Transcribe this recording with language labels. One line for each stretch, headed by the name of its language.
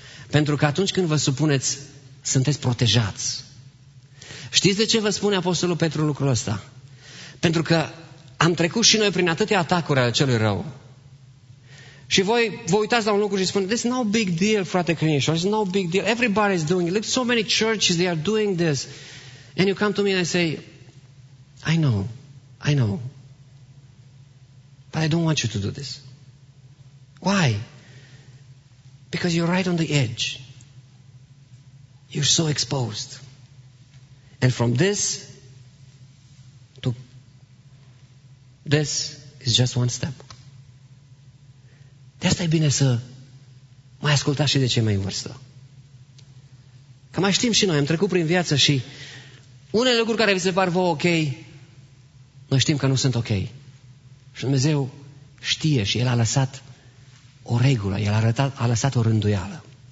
Romanian: Pentru că atunci când vă supuneți, sunteți protejați. Știți de ce vă spune Apostolul Petru lucrul ăsta? Pentru că am trecut și noi prin atâtea atacuri ale celui rău. Și voi vă uitați la un lucru și spuneți,
English: this is no big deal,
Romanian: frate creștin,
English: it's no big deal, everybody is doing it. Look, so many churches, they are doing this. And you come to me and I say, I know. But I don't want you to do this. Why? Because you're right on the edge. You're so exposed. And from this to this is just one step.
Romanian: De asta e bine să mai ascultați și de cei mai în vârstă. Că mai știm și noi, am trecut prin viață și unele lucruri care vi se par vouă ok, noi știm că nu sunt ok. Și Dumnezeu știe și El a lăsat o regulă, El a lăsat o rânduială.